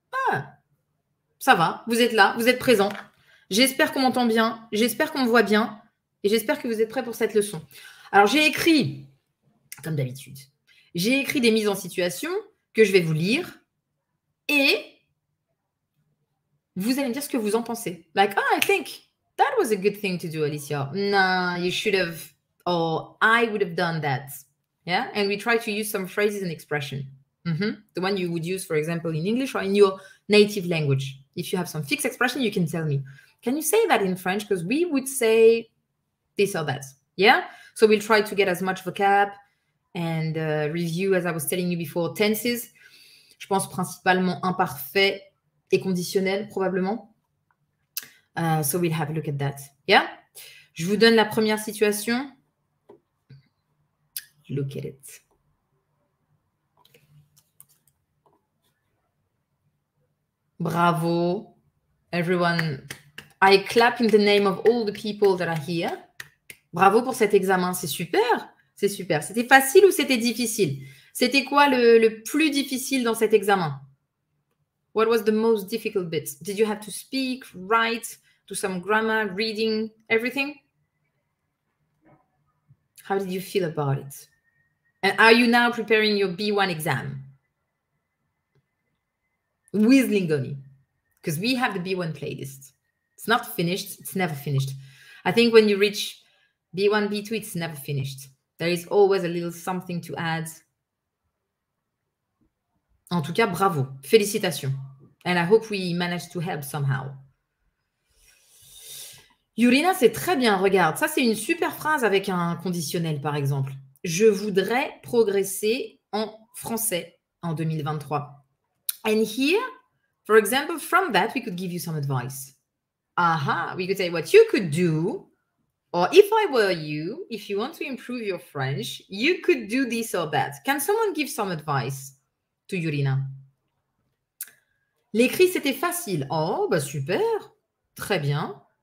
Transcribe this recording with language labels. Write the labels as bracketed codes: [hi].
[fr] Ah, ça va, vous êtes là, vous êtes présent. J'espère qu'on m'entend bien, j'espère qu'on me voit bien et j'espère que vous êtes prêts pour cette leçon. Alors, j'ai écrit. Comme d'habitude. J'ai écrit des mises en situation que je vais vous lire et vous allez me dire ce que vous en pensez. [en] Like, oh, I think that was a good thing to do, Alicia. No, you should have. Or I would have done that. Yeah? And we try to use some phrases and expression. The one you would use, for example, in English or in your native language. If you have some fixed expression, you can tell me. Can you say that in French? Because we would say this or that. Yeah? So we'll try to get as much vocab. And review, as I was telling you before, tenses. [fr] Je pense principalement imparfait et conditionnel, probablement. [en] So we'll have a look at that. Yeah? [fr] Je vous donne la première situation. [en] Look at it. Bravo, everyone. I clap in the name of all the people that are here. [fr] Bravo pour cet examen, c'est super. C'est super. C'était facile ou c'était difficile? C'était quoi le plus difficile dans cet examen? [en] What was the most difficult bit? Did you have to speak, write, do some grammar, reading, everything? How did you feel about it? And are you now preparing your B1 exam? With Lingoni. Because we have the B1 playlist. It's not finished. It's never finished. I think when you reach B1, B2, it's never finished. There is always a little something to add. [fr] En tout cas, bravo. Félicitations. [en] And I hope we manage to help somehow. [fr] Yurina, c'est très bien. Regarde, ça, c'est une super phrase avec un conditionnel, par exemple. Je voudrais progresser en français en 2023. [en] And here, for example, from that, we could give you some advice. Aha, we could say what you could do. Or if I were you, if you want to improve your French, you could do this or that. Can someone give some advice to Yurina? [fr] L'écrit, c'était facile. Oh, bah super. Très bien.